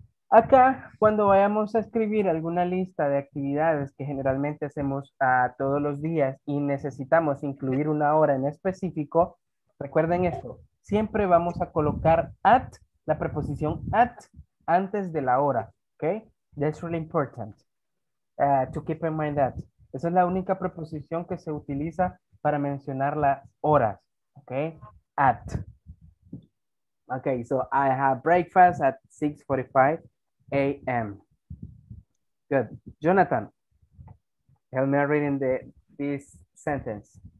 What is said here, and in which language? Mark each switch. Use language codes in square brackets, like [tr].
[es] Acá, cuando vayamos a escribir alguna lista de actividades que generalmente hacemos todos los días y necesitamos incluir una hora en específico, recuerden esto, siempre vamos a colocar at, la preposición at, antes de la hora, ¿ok? [en] That's really important to keep in mind that. [es] Esa es la única preposición que se utiliza para mencionar las horas, ¿ok? [en] At. Ok, so I have breakfast at 6:45. A.M. Good. Jonathan, help me read in this sentence.